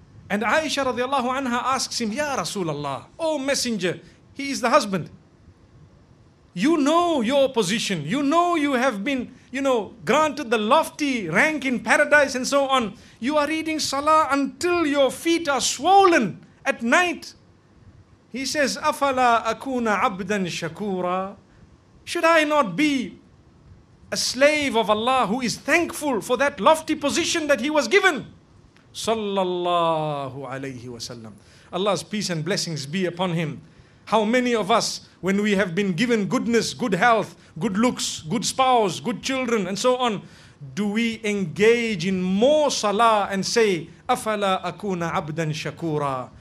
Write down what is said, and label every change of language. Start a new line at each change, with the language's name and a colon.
English: And Aisha radiallahu anha asks him, Ya Rasulullah, O Messenger, he is the husband. You know your position. You know you have been, you know, granted the lofty rank in paradise and so on. You are reading salah until your feet are swollen at night.
Arabic: He says, أَفَلَا أَكُونَ عَبْدًا شَكُورًا.
English: Should I not be a slave of Allah who is thankful for that lofty position that he was given? Sallallahu alayhi wa sallam. Allah's peace and blessings be upon him. How many of us, when we have been given goodness, good health, good looks, good spouse, good children, and so on, do we engage in more salah and say, أَفَلَا أَكُونَ عَبْدًا شَكُورًا.